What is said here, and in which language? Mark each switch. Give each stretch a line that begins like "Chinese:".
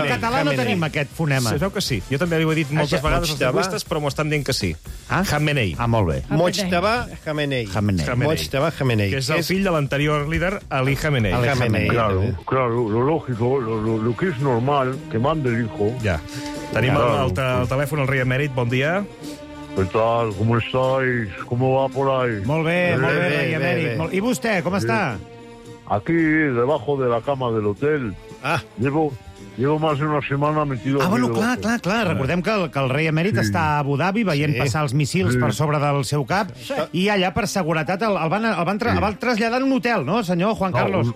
Catalan: en català, no tenim aquest fonema. Sabeu que sí. Jo també li ho he dit moltes vegades als lingüistes, però m'ho estan dient que sí. Khamenei. Ah, molt bé. Mojtaba Khamenei. Mojtaba Khamenei. Que és el fill de l'anterior líder, Ali Khamenei.
Spanish: Claro, lo lógico, lo que es normal, que manda el hijo...
Catalan: Tenim el telèfon al rei emèrit. Bon dia.
Spanish: ¿Qué tal? ¿Cómo estáis? ¿Cómo va por ahí?
Catalan: Molt bé, rei emèrit. I vostè, com està?
Spanish: Aquí, debajo de la cama del hotel. Llevo más de una semana metido...
Catalan: Clar. Recordem que el rei emèrit està a Abu Dhabi veient passar els missils per sobre del seu cap i allà, per seguretat, el van traslladar a un hotel, no, senyor Juan Carlos?